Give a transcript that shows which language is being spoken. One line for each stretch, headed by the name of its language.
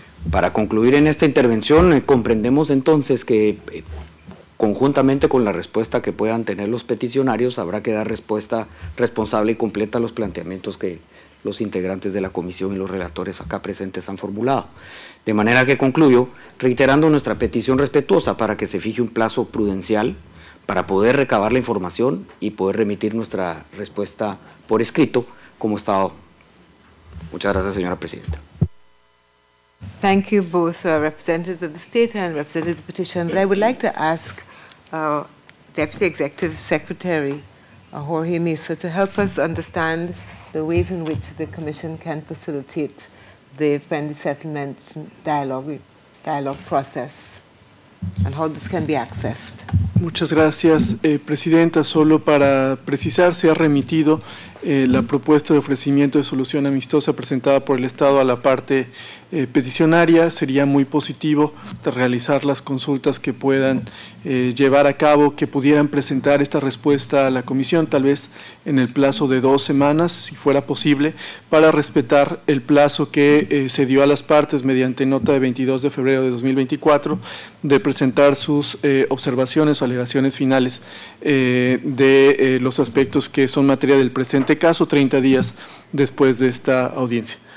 Spanish: Para concluir en esta intervención, comprendemos entonces que conjuntamente con la respuesta que puedan tener los peticionarios, habrá que dar respuesta responsable y completa a los planteamientos que los integrantes de la comisión y los relatores acá presentes han formulado. De manera que concluyo reiterando nuestra petición respetuosa para que se fije un plazo prudencial para poder recabar la información y poder remitir nuestra respuesta por escrito como Estado. Muchas gracias, señora presidenta.
English: Thank you both representatives of the state and representatives of the petition. But I would like to ask Deputy Executive Secretary Jorge Mesa to help us understand the ways in which the Commission can facilitate the friendly settlement dialogue process and how this can be accessed.
Spanish: Muchas gracias, Presidenta. Solo para precisar, se ha remitido la propuesta de ofrecimiento de solución amistosa presentada por el Estado a la parte peticionaria. Sería muy positivo de realizar las consultas que puedan llevar a cabo, que pudieran presentar esta respuesta a la Comisión, tal vez en el plazo de 2 semanas, si fuera posible, para respetar el plazo que se dio a las partes mediante nota de 22 de febrero de 2024 de presentar sus observaciones o alegaciones finales de los aspectos que son materia del presente caso 30 días después de esta audiencia.